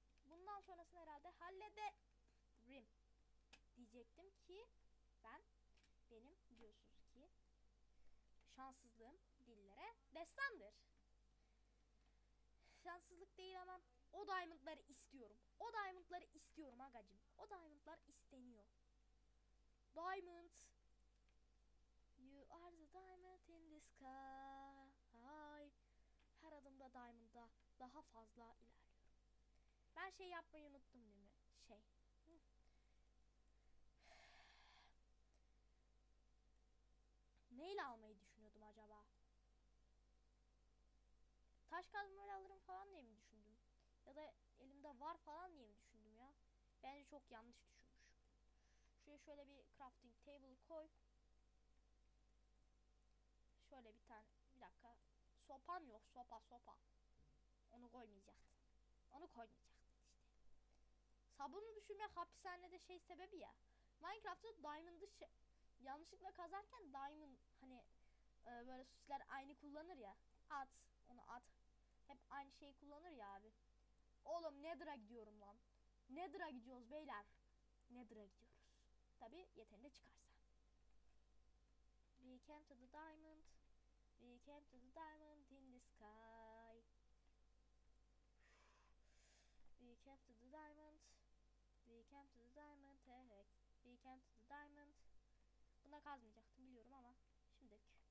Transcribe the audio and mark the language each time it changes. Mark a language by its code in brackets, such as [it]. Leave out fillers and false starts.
[tr] Bundan sonrasını herhalde hallederim. Diyecektim ki ben benim biliyorsunuz ki şanssızlığım dillere destandır. Şanssızlık değil ama o diamondları istiyorum. O diamondları istiyorum agacım. O diamondlar isteniyor. Diamond. [en] You are the diamond in the sky. Hi. [tr] Her adımda diamond'a daha fazla ilerliyorum. Ben şey yapmayı unuttum değil mi? Şey. Neyle almayı düşünüyordum acaba? Taş kazmayla alırım falan diye mi düşündüm? Ya da elimde var falan diye mi düşündüm ya? Bence çok yanlış düşünmüşüm. Şuraya şöyle bir crafting table koy. Şöyle bir tane, bir dakika. Sopam yok, sopa sopa. Onu koymayacaktım. Onu koymayacaktım işte. Sabunu düşürmek hapishanede şey sebebi ya. Minecraft'ta Diamond'ı şey, yanlışlıkla kazarken Diamond hani böyle süsler aynı kullanır ya. At, onu at. Hep aynı şeyi kullanır ya abi. Oğlum Nether'a gidiyorum lan. Nether'a gidiyoruz beyler. Nether'a gidiyoruz. Tabii yeterince çıkarsa. [en] We came to the diamond. We came to the diamond in the sky. We came to the diamond. We came to the diamond. Hey, we came to the diamond. [tr] Buna kazmayacaktım biliyorum ama şimdilik.